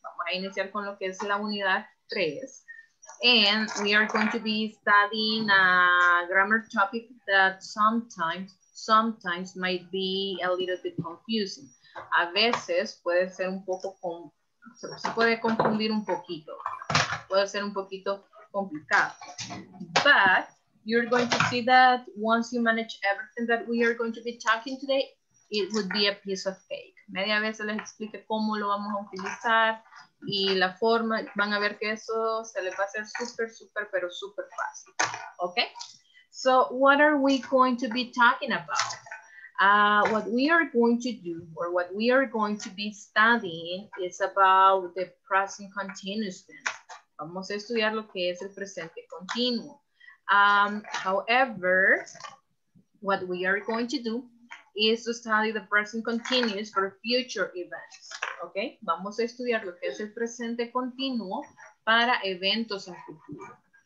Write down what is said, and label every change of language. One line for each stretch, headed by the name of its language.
Spanish: Vamos a iniciar con lo que es la unidad 3.
English: And we are going to be studying a grammar topic that sometimes might be a little bit confusing.
Spanish: A veces puede ser un poco, se puede confundir un poquito. Puede ser un poquito complicado. But
English: you're going to see that once you manage everything that we are going to be talking today, it would be a piece of cake.
Spanish: Media vez les explique cómo lo vamos a utilizar y la forma, van a ver que eso se les va a hacer súper, súper, pero súper fácil.
English: Okay? So what are we going to be talking about? What we are going to do, or what we are going to be studying, is about the present continuous tense.
Spanish: Vamos a estudiar lo que es el presente continuo.
English: However, what we are going to do is to study the present continuous for future events. Okay?
Spanish: Vamos a estudiar lo que es el presente continuo para eventos en futuro.